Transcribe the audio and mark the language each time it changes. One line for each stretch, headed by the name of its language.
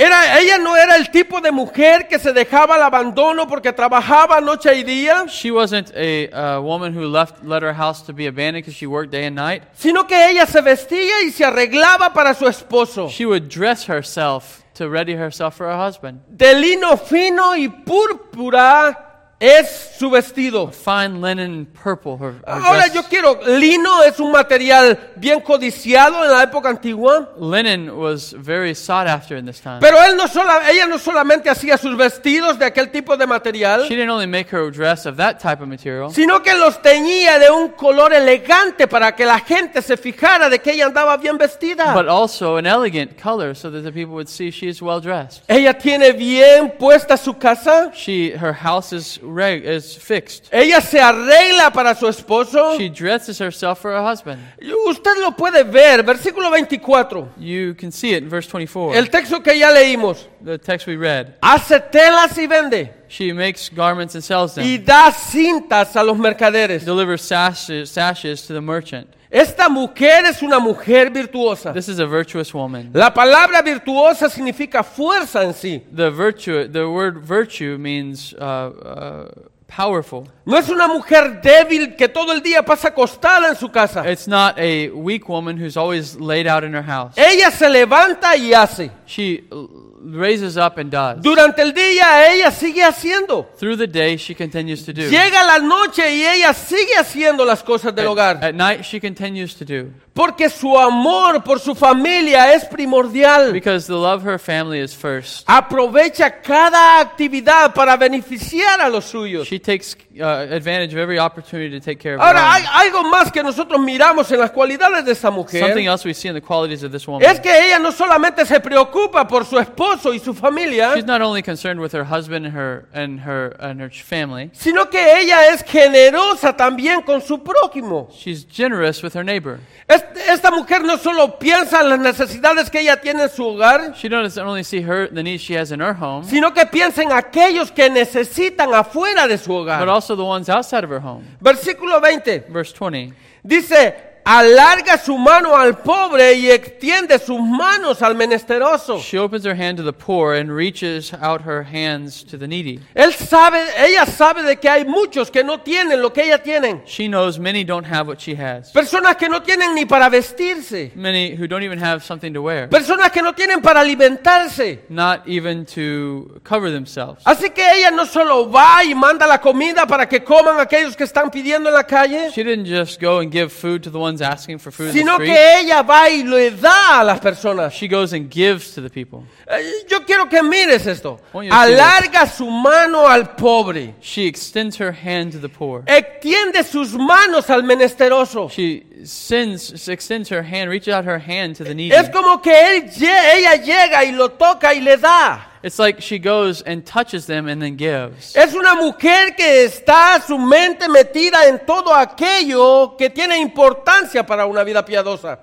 Spanish: Ella no era el tipo de mujer que se dejaba al abandono porque trabajaba noche y día.
English: She wasn't a woman who let her house to be abandoned because she worked day and night.
Spanish: Sino que ella se vestía y se arreglaba para su esposo.
English: She would dress herself to ready herself for her husband.
Spanish: De lino fino y púrpura es su vestido.
English: A fine linen purple. Her
Spanish: Ahora
English: dress.
Spanish: Yo quiero. Lino es un material bien codiciado en la época antigua.
English: Linen was very sought after in this time.
Spanish: Pero ella no solamente hacía sus vestidos de aquel tipo de material.
English: She didn't only make her dress of that type of material.
Spanish: Sino que los teñía de un color elegante para que la gente se fijara de que ella andaba bien vestida.
English: But also an elegant color so that the people would see she is well dressed.
Spanish: Ella tiene bien puesta su casa.
English: Her house is fixed.
Spanish: Ella se arregla para su esposo.
English: She dresses herself for her husband.
Spanish: Usted lo puede ver, versículo 24.
English: You can see it in verse 24.
Spanish: El texto que ya leímos.
English: The text we read.
Spanish: Hace telas y vende.
English: She makes garments and sells them.
Spanish: Y da cintas a los mercaderes.
English: Delivers sashes to the merchant.
Spanish: Esta mujer es una mujer virtuosa.
English: This is a virtuous woman.
Spanish: La palabra virtuosa significa fuerza en sí.
English: The word virtue means powerful.
Spanish: No es una mujer débil que todo el día pasa acostada en su casa.
English: It's not a weak woman who's always laid out in her house.
Spanish: Ella se levanta y hace.
English: She raises up and does.
Spanish: Durante el día ella sigue haciendo.
English: Through the day she continues to do.
Spanish: Llega la noche y ella sigue haciendo las cosas del hogar.
English: At night she continues to do.
Spanish: Porque su amor por su familia es primordial.
English: Because the love of her family is first.
Spanish: Aprovecha cada actividad para beneficiar a los suyos.
English: She takes advantage of every opportunity to take care of Ahora, her own.
Spanish: Algo más que nosotros miramos en las cualidades de esta mujer.
English: Something else we see in the qualities of this woman.
Spanish: Es que ella no solamente se preocupa por su esposo y su familia.
English: She's not only concerned with her husband and her family.
Spanish: Sino que ella es generosa también con su prójimo.
English: She's generous with her neighbor.
Spanish: Esta mujer no solo piensa en las necesidades que ella tiene en su hogar.
English: She doesn't only see the needs she has in her home.
Spanish: Sino que piensa en aquellos que necesitan afuera de su hogar.
English: But also the ones outside of her home.
Spanish: Versículo 20.
English: Verse 20.
Spanish: Dice, alarga su mano al pobre y extiende sus manos al menesteroso.
English: She opens her hand to the poor and reaches out her hands to the needy.
Spanish: Ella sabe de que hay muchos que no tienen lo que ella tiene.
English: She knows many don't have what she has.
Spanish: Personas que no tienen ni para vestirse.
English: Many who don't even have something to wear.
Spanish: Personas que no tienen para alimentarse.
English: Not even to cover themselves.
Spanish: Así que ella no solo va y manda la comida para que coman aquellos que están pidiendo en la calle.
English: She didn't just go and give food to the ones asking for food
Spanish: sino
English: in the
Spanish: que ella va y le da a las personas.
English: She goes and gives to the people.
Spanish: Yo quiero que mires esto. Alarga su mano al pobre.
English: She extends her hand to the poor.
Spanish: Extiende sus manos al menesteroso.
English: She extends her hand, reaches out her hand to the needy.
Spanish: Es como que ella llega y lo toca y le da.
English: It's like she goes and touches them and then gives.
Spanish: Es una mujer que está su mente metida en todo aquello que tiene importancia para una vida piadosa.